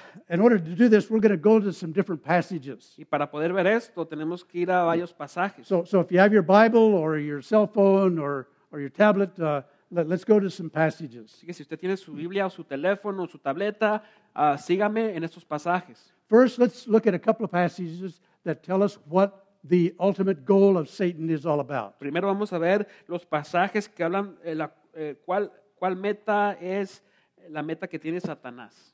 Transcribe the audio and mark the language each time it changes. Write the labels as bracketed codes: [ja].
[en] In order to do this, we're going to go to some different passages. [es] Y para poder ver esto, tenemos que ir a varios pasajes. [en] So if you have your Bible or your cell phone or your tablet, let's go to some passages. [es] Así que si usted tiene su Biblia o su teléfono o su tableta, sígame en estos pasajes. [en] First, let's look at a couple of passages that tell us what the ultimate goal of Satan is all about. [es] Primero vamos a ver los pasajes que hablan cuál meta es la meta que tiene Satanás.